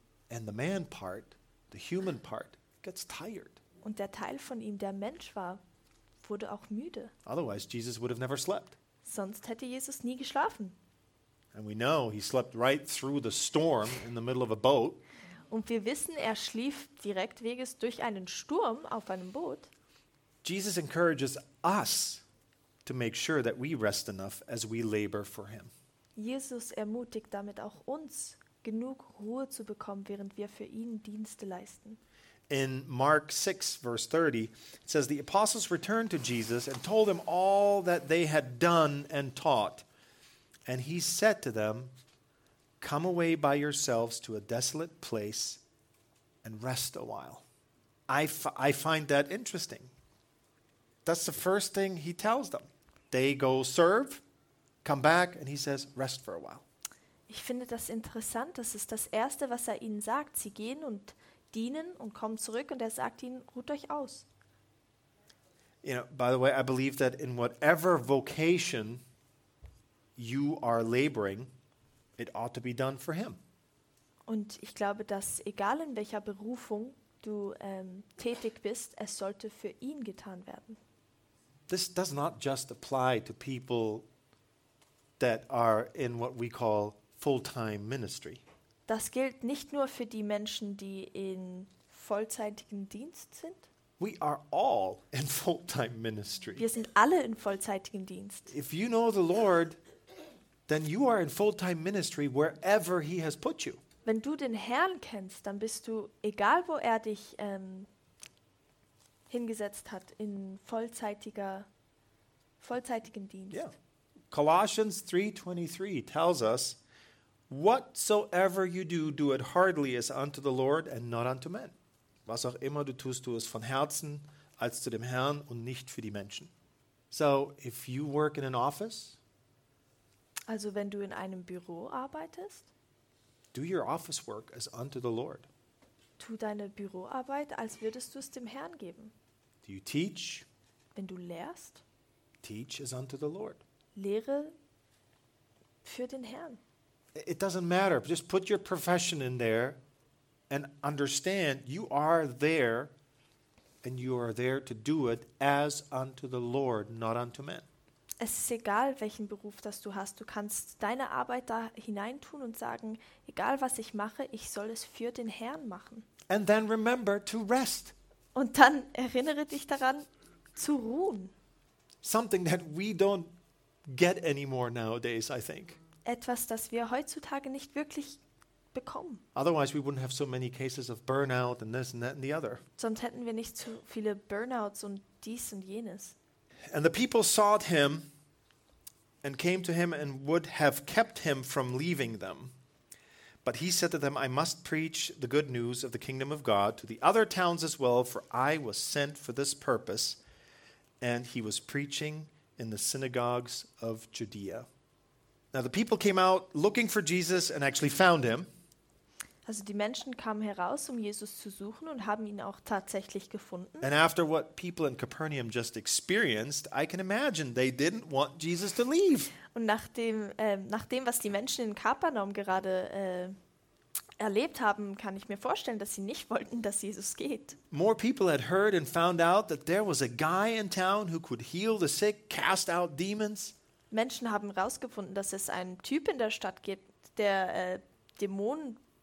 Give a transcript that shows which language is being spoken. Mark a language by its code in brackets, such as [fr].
[en] And the man part, the human part, gets tired. [de] Und der Teil von ihm, der Mensch war, wurde auch müde. [en] Otherwise Jesus would have never slept. [de] Sonst hätte Jesus nie geschlafen. [en] And we know he slept right through the storm in the middle of a boat. [de] Und wir wissen, er schlief direkt weges durch einen Sturm auf einem Boot. [en] Jesus encourages us to make sure that we rest enough as we labor for him. [de] Jesus ermutigt damit auch uns, genug Ruhe zu bekommen, während wir für ihn Dienste leisten. [en] In Mark 6, verse 30, it says, the apostles returned to Jesus and told him all that they had done and taught. And he said to them, come away by yourselves to a desolate place and rest a while. I find that interesting. That's the first thing he tells them. They go serve, come back, and he says, rest for a while. [de] Ich finde das interessant, das ist das Erste, was er ihnen sagt. Sie gehen und dienen und kommen zurück und er sagt ihnen, ruht euch aus. [en] You know, by the way, I believe that in whatever vocation you are laboring, it ought to be done for him. [de] Und ich glaube, dass egal in welcher Berufung du tätig bist, es sollte für ihn getan werden. [en] This does not just apply to people that are in what we call full-time ministry. [de] Das gilt nicht nur für die Menschen, die in vollzeitigen Dienst sind. [en] We are all in full-time ministry. [de] Wir sind alle in vollzeitigen Dienst. [en] If you know the Lord, then you are in full-time ministry wherever he has put you. [de] Wenn du den Herrn kennst, dann bist du, egal wo er dich hingesetzt hat, in vollzeitigen Dienst. [en] Yeah. Colossians 3:23 tells us, whatsoever you do, do it heartily as unto the Lord and not unto men. [de] Was auch immer du tust, tu es von Herzen als zu dem Herrn und nicht für die Menschen. [en] So, if you work in an office, [de] also wenn du in einem Büro arbeitest, [en] do your office work as unto the Lord. [de] Tu deine Büroarbeit, als würdest du es dem Herrn geben. [en] Do you teach? [de] Wenn du lehrst, [en] teach as unto the Lord. [de] Lehre für den Herrn. [en] It doesn't matter. Just put your profession in there and understand you are there and you are there to do it as unto the Lord, not unto men. [de] Es ist egal, welchen Beruf das du hast. Du kannst deine Arbeit da hineintun und sagen, egal was ich mache, ich soll es für den Herrn machen. [en] And then remember to rest. [de] Und dann erinnere dich daran, zu ruhen. [en] Something that we don't get anymore nowadays, I think. [de] Etwas, das wir heutzutage nicht wirklich bekommen. [en] Otherwise we wouldn't have so many cases of burnout and this and that and the other. [de] Sonst hätten wir nicht so viele Burnouts und dies und jenes. [en] And the people sought him and came to him and would have kept him from leaving them. But he said to them, I must preach the good news of the kingdom of God to the other towns as well, for I was sent for this purpose. And he was preaching in the synagogues of Judea. Now the people came out looking for Jesus and actually found him. [de] Also die Menschen kamen heraus, um Jesus zu suchen und haben ihn auch tatsächlich gefunden. [en] And after what people in Capernaum just experienced, I can imagine they didn't want Jesus to leave. [de] Und nach dem, was die Menschen in Kapernaum gerade erlebt haben, kann ich mir vorstellen, dass sie nicht wollten, dass Jesus geht. [en] More people had heard and found out that there was a guy in town who could heal the sick, cast out demons. [de] Menschen haben herausgefunden, dass es einen Typ in der Stadt gibt, der Dämonen